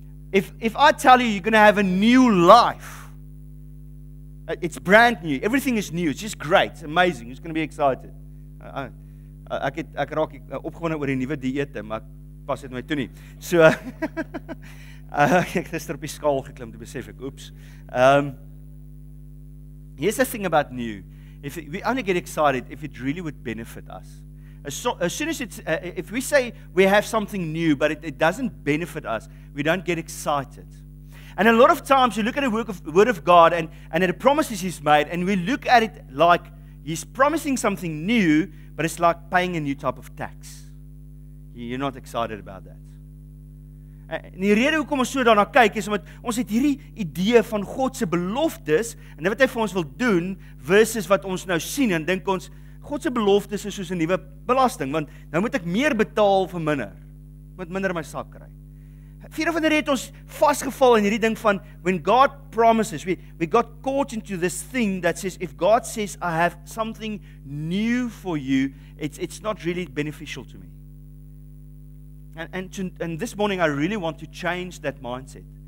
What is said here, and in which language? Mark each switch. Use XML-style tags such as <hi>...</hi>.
<en>If I tell you you're going to have a new life, it's brand new. Everything is new. It's just great. It's amazing. You're going to be excited.</en> <af>Ek raak opgewonde oor die nuwe dieete, maar pas dit my toe nie. So ek gister op die skaal geklim, toe besef ek, oeps.</af> <en>Here's the thing about new. If we only get excited if it really would benefit us. As soon as it's, if we say we have something new, but it doesn't benefit us, we don't get excited. And a lot of times you look at the word of God and at the promises He's made, and we look at it like He's promising something new, but it's like paying a new type of tax. You're not excited about that.</en> <af>En die rede hoekom ons so daarna kyk is omdat ons het hierdie idee van God se beloftes en wat hy vir ons wil doen versus wat ons nou sien en dink ons God se beloftes is soos 'n nuwe belasting, want nou moet ek meer betaal vir minder. Moet minder in my sak kry. Vier of ander het ons vasgeval in hierdie ding van</af> <en>when God promises, we got caught into this thing that says if God says I have something new for you, it's not really beneficial to me. And this morning I really want to change that mindset.</en>